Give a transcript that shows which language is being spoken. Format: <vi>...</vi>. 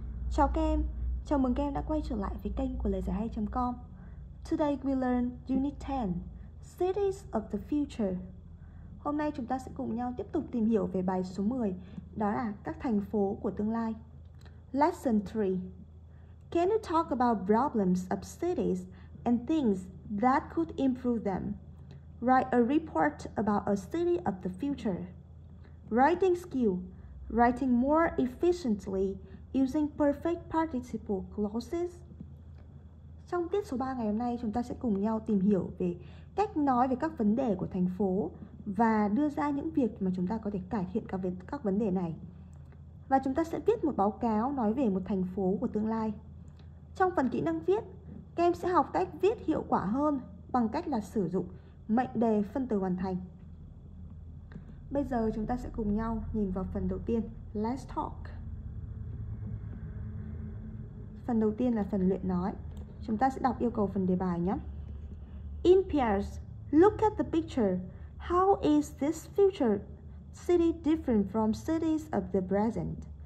<vi>Chào các em, chào mừng các em đã quay trở lại với kênh của lờidạyhay.com.</vi> <en>Today we learn Unit 10, Cities of the Future.</en> <vi>Hôm nay chúng ta sẽ cùng nhau tiếp tục tìm hiểu về bài số 10, đó là các thành phố của tương lai.</vi> <en>Lesson 3. Can you talk about problems of cities and things that could improve them? Write a report about a city of the future. Writing skill, writing more efficiently using perfect participle clauses.</en> <vi>Trong tiết số 3 ngày hôm nay, chúng ta sẽ cùng nhau tìm hiểu về cách nói về các vấn đề của thành phố và đưa ra những việc mà chúng ta có thể cải thiện các vấn đề này. Và chúng ta sẽ viết một báo cáo nói về một thành phố của tương lai. Trong phần kỹ năng viết, các em sẽ học cách viết hiệu quả hơn bằng cách là sử dụng mệnh đề phân từ hoàn thành. Bây giờ chúng ta sẽ cùng nhau nhìn vào phần đầu tiên,</vi> <en>Let's Talk.</en> <vi>Phần đầu tiên là phần luyện nói. Chúng ta sẽ đọc yêu cầu phần đề bài nhé.</vi> <en>In Paris, look at the picture. How is this future city different from cities of the present?</en>